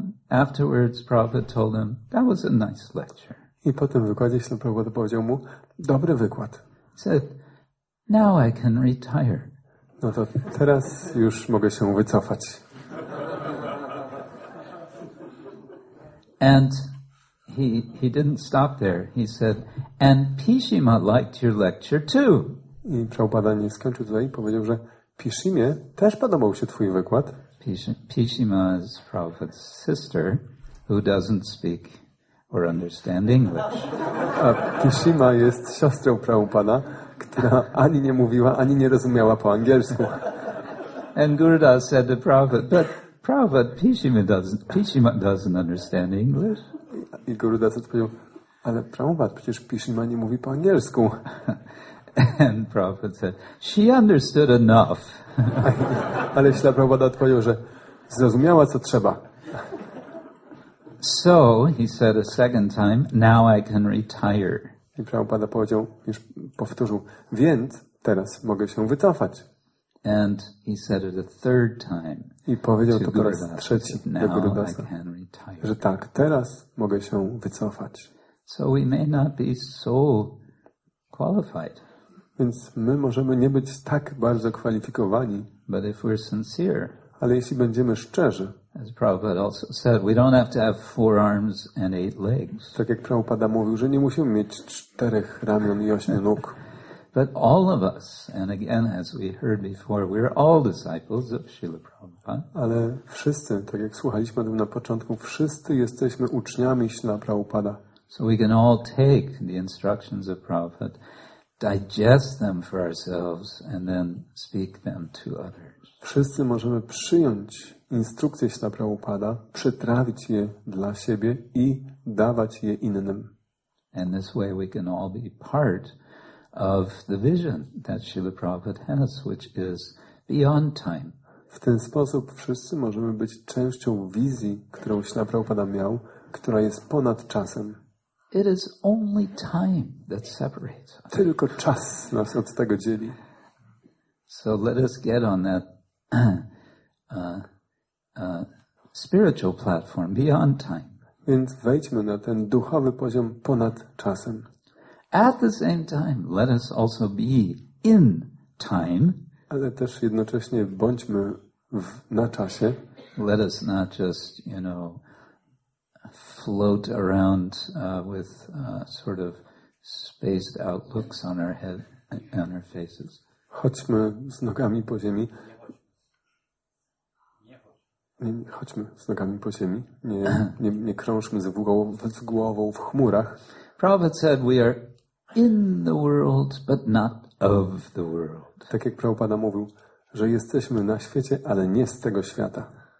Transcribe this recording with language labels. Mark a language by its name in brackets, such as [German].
[English] Afterwards, Prabhupada told him that was a nice lecture. [Polish] I po tym wykładzie Śrila Prabhupada powiedział mu, dobry wykład. [English] Said, now I can retire. [Polish] No to teraz już mogę się wycofać. [English] And he didn't stop there. He said, and Pishima liked your lecture too. [Polish] I Prabhupada nie skończył tutaj i powiedział, że Pishimie też podobał się twój wykład. [English] Pishima is Prabhupada's sister who doesn't speak or understand English. [Polish] A Pishima jest siostrą Prabhupada, która ani nie mówiła, ani nie rozumiała po angielsku. [English] And Gurudas said to Prabhupada, but Prabhupada, Pishima doesn't understand English. [Polish] I Gurudas odpowiedział, ale Prabhupada, przecież Pishima nie mówi po angielsku. [English] And Prabhupada said, she understood enough. [Polish] Ale Śrila Prabhupada odpowiedział, że zrozumiała, co trzeba. [English] So, he said a second time, now I can retire. [Polish] I Prabhupada powiedział, już powtórzył, więc teraz mogę się wycofać. [English] And he said it a third time. [Polish] I powiedział to po raz trzeci do Gurudasa, że tak, teraz mogę się wycofać. [English] So we may not be so qualified. [Polish] Więc my możemy nie być tak bardzo kwalifikowani. [English] But if we're sincere, [Polish] ale jeśli będziemy szczerzy, [English] as Prabhupada also said, we don't have to have four arms and eight legs. [Polish] Tak jak Prabhupada mówił, że nie musimy mieć czterech ramion i ośmiu nóg. [English] But all of us, and again, as we heard before, we're all disciples of Śrīla Prabhupāda. [Polish] Ale wszyscy, tak jak słuchaliśmy na początku, wszyscy jesteśmy uczniami Śrīla Prabhupāda. [English] So we can all take the instructions of Prabhupāda, digest them for ourselves, and then speak them to others. [Polish] Wszyscy możemy przyjąć instrukcje Śrīla Prabhupāda, przetrawić je dla siebie i dawać je innym. [English] And this way we can all be part of the vision that Śrīla Prabhupāda has, which is beyond time. [Polish] W ten sposób wszyscy możemy być częścią wizji, którą Śrīla Prabhupāda miał, która jest ponad czasem. [English] It is only time that separates us. [Polish] Tylko czas nas od tego dzieli. [English] So let us get on that spiritual platform beyond time. [Polish] Więc wejdźmy na ten duchowy poziom ponad czasem. [English] At the same time, let us also be in time. [Polish] Ale też jednocześnie bądźmy w, na czasie. [English] Let us not just, you know, float around with sort of spaced out looks on our head and our faces. [Polish] Chodźmy z nogami po ziemi. Nie, nie, chodźmy z nogami po ziemi. Nie krążmy z głową w chmurach. [English] Prabhupada said we are in the world, but not of the world. [Polish] Tak jak Prabhupada mówił, że jesteśmy na świecie, ale nie z tego świata.